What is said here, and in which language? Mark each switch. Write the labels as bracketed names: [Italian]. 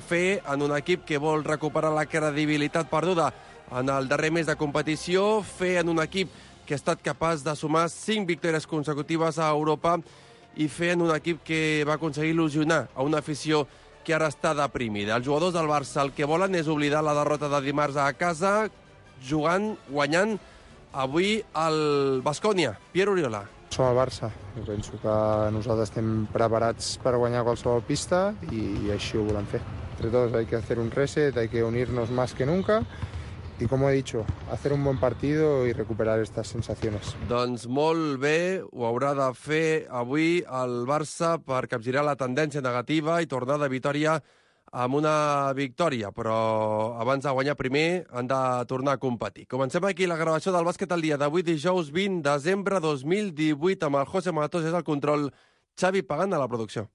[Catalan] Fe en un equip que vol recuperar la credibilitat perduda en el darrer mes de competició, fer en un equip que ha estat capaç de sumar 5 victòries consecutives a Europa i fer en un equip que va aconseguir il·lusionar a una afició que ara està deprimida. Els jugadors del Barça el que volen és oblidar la derrota de dimarts a casa, jugant, guanyant avui al Baskonia. Pierre Oriola. Som al Barça. Jo penso que nosaltres estem preparats per guanyar qualsevol pista i així ho volem fer. [Spanish] Entre tots, hay que hacer un reset, hay que unirnos más que nunca. Y como he dicho, hacer un buen partido y recuperar estas sensaciones. [Catalan] Doncs molt bé, ho haurà de fer avui el Barça per capgirar la tendència negativa i tornar de Vitòria amb una victòria. Però abans de guanyar primer, han de tornar a competir. Comencem aquí la gravació del Bàsquet al dia d'avui, dijous 20 de desembre 2018, amb el José Matos, és el control, Xavi Pagant a la producció.